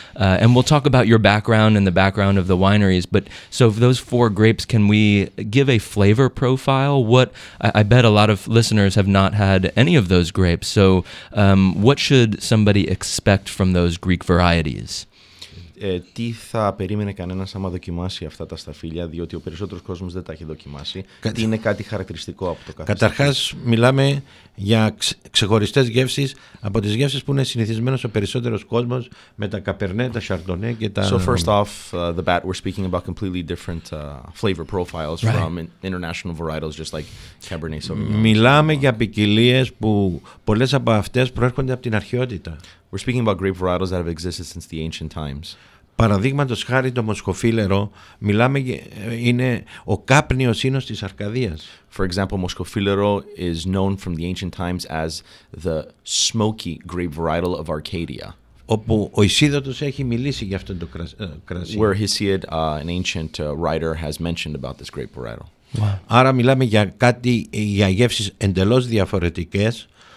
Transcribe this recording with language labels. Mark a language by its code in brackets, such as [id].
[en] And we'll talk about your background and the background of the wineries. But so of those four grapes, can we give a flavor profile? What I bet a lot of listeners have not had any of those grapes. So what should somebody expect from those Greek varieties? [el] Τι θα περίμενε κανένας άμα δοκιμάσει αυτά τα σταφύλια, διότι ο περισσότερος κόσμος δεν τα έχει δοκιμάσει. Τι είναι κάτι χαρακτηριστικό από το κάθε. Καταρχάς, μιλάμε για ξεχωριστές γεύσεις από τις γεύσεις που είναι συνηθισμένος ο περισσότερος κόσμος με τα καπερνέ, τα σαρντονέ και τα. [en] So first off, the bat, we're speaking about completely different flavor profiles right. from international varietals, just like Cabernet Sauvignon. [el] Μιλάμε για ποικιλίες που πολλές από αυτές προέρχονται από την αρχαιότητα. [en] We're speaking about grape varietals that have existed since the ancient times. [el] Παραδείγματος χάρη το Μοσχοφύλερο, μιλάμε είναι ο κάπνιος ίνος της Αρκαδίας. [en] For example, Μοσχοφύλερο is known from the ancient times as the smoky grape varietal of Arcadia. [el] Όπου ο Ισίδωτος έχει μιλήσει για αυτό το κρασί. [en] Where Hesiod, an ancient writer, has mentioned about this grape varietal. Wow. [el] Άρα μιλάμε για κάτι, για γεύσεις εντελώς διαφορετικές.